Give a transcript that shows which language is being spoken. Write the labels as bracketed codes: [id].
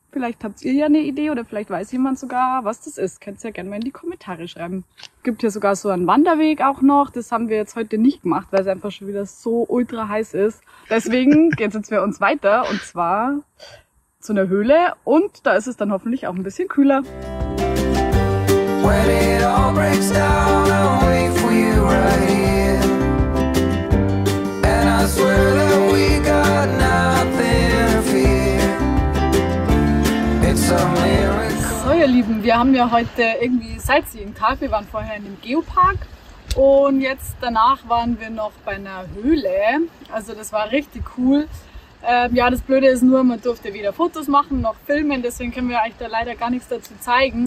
[de] Vielleicht habt ihr ja eine Idee oder vielleicht weiß jemand sogar, was das ist. Könnt ihr ja gerne mal in die Kommentare schreiben. Es gibt hier sogar so einen Wanderweg auch noch. Das haben wir jetzt heute nicht gemacht, weil es einfach schon wieder so ultra heiß ist. Deswegen geht es jetzt für uns weiter und zwar zu einer Höhle. Und da ist es dann hoffentlich auch ein bisschen kühler. [en] When it all breaks down, I'll wait for you right here. And I swear that we got nothing to fear. [de] So ihr Lieben, wir haben ja heute irgendwie Sightseeing-Tag. Wir waren vorher in dem Geopark Und jetzt danach waren wir noch bei einer Höhle. Also das war richtig cool. Ja, das Blöde ist nur, man durfte weder Fotos machen noch filmen, deswegen können wir euch da leider gar nichts dazu zeigen.